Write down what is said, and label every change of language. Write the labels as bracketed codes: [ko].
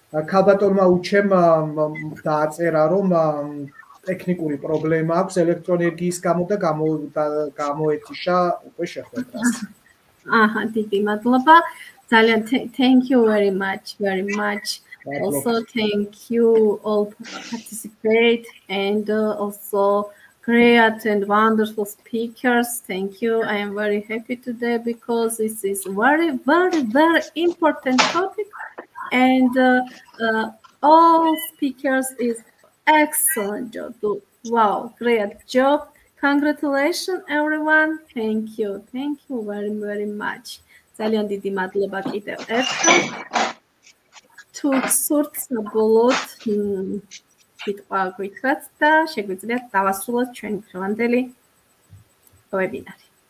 [ka] ქალბატონმა უჩემ დააწერა, რომ ტექნიკური პრობლემა აქვს ელექტროენერგიის გამო და გამოეთიშა უკვე შეხვედრას. Aha, დიდი მადლობა. [en] Zalian, thank you very much, very much. Also, thank you all for participate and also great and wonderful speakers. Thank you. I am very happy today because this is very, very, very important topic. And all speakers is excellent job. Wow, great job. Congratulations, everyone. Thank you. Thank you very, very much. [ka] ძალიან დიდი მადლობა კიდევ ერთხელ. თუ სურთ საბოლოოდ სიტყვა გითხრათ და შეგვიძლიათ დავასრულოთ ჩვენი დღევანდელი ვებინარი.